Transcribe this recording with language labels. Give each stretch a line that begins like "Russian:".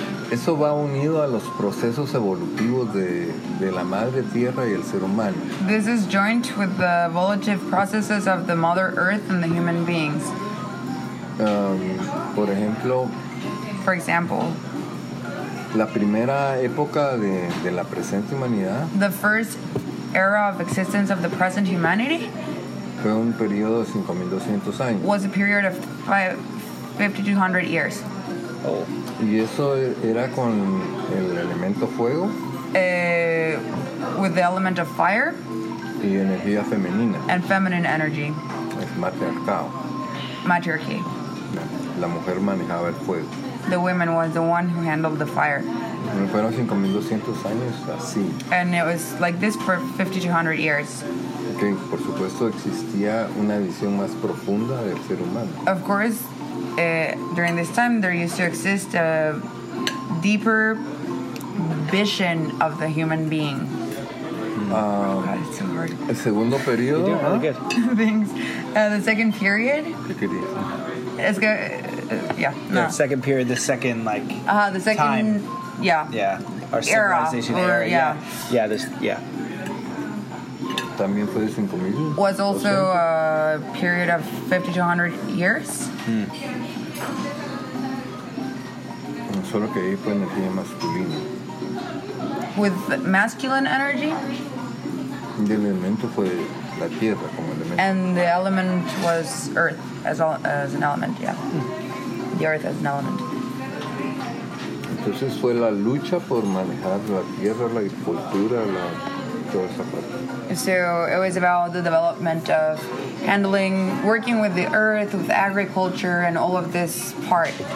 Spanish: Eso va unido a los procesos evolutivos de la madre tierra y el ser humano.
English: This is joined with the evolutive processes of the mother earth and the human beings.
Spanish: Por ejemplo.
English: For example.
Spanish: La primera época de la presente humanidad.
English: The first era of existence of the present humanity.
Spanish: Fue un periodo de 5,200 años.
English: Was a period of 5,200 years.
Spanish: Oh. Y eso era con el elemento fuego.
English: With the element of fire.
Spanish: Y energía femenina.
English: And feminine energy.
Spanish: El matriarcado.
English: Matriarchy.
Spanish: La mujer manejaba el fuego.
English: The woman was the one who handled the fire.
Spanish: Y fueron 5,200 años así.
English: And it was like this for 5,200 years.
Spanish: Okay, por supuesto existía una visión más profunda del ser humano.
English: Of course. During this time, there used to exist a deeper ambition of the human being. God, it's so hard. El segundo periodo, you're doing really good. Thanks. The second period. It's good. Yeah. The second period. The second like. The second. Time. Yeah. Yeah. Our civilization era. Yeah. This. Yeah.
Spanish: También fue de 5,000.
English: Was also a period of 50 to 100 years.
Spanish: Solo que ahí fue energía masculina.
English: With masculine energy.
Spanish: Y el elemento fue la tierra como elemento.
English: And the element was earth as an element, yeah. The earth as an element.
Spanish: Entonces fue la lucha por manejar la tierra, la agricultura, la toda esa parte.
English: So it was about the development of handling, working with the earth, with agriculture, and all of this part.